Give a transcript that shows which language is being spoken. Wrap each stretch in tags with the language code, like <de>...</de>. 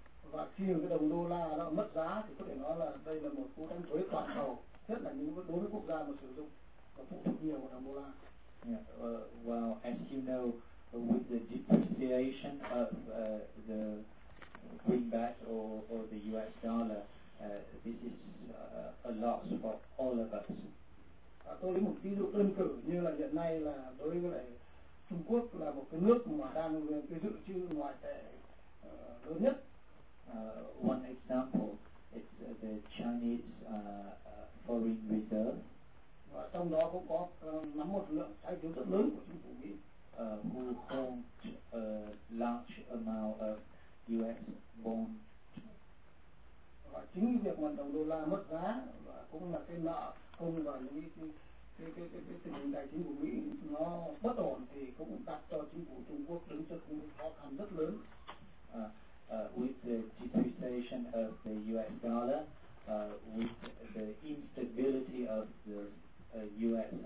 <vi>Và khi cái đồng đô la nó mất giá thì có thể nói là đây là một cú đánh thuế toàn cầu, nhất là những đối với quốc gia mà sử dụng và phụ thuộc nhiều vào đồng đô la.</vi> <en>Yeah, well, as you know, with the depreciation of the greenback or the U.S. dollar, this is a loss for all of us.</en> <vi>Tôi lấy một ví dụ đơn cử như là hiện nay là đối với lại Trung Quốc là một cái nước mà đang cái dự trữ ngoại tệ lớn nhất.</vi> <en>One example is the Chinese foreign reserve.</en> <vi>Và trong đó cũng có nắm một lượng trái phiếu rất lớn của chính phủ Mỹ.</vi> <en>Who hold a large amount of U.S. bond.</en> <vi>Và chính việc mà đồng đô la mất giá và cũng là cái nợ công và những cái tình hình tài chính của Mỹ nó bất ổn thì cũng đặt cho chính phủ Trung Quốc đứng trước những khó khăn rất lớn.</vi> <en>With the depreciation of the U.S. dollar, with the instability of the U.S.</en>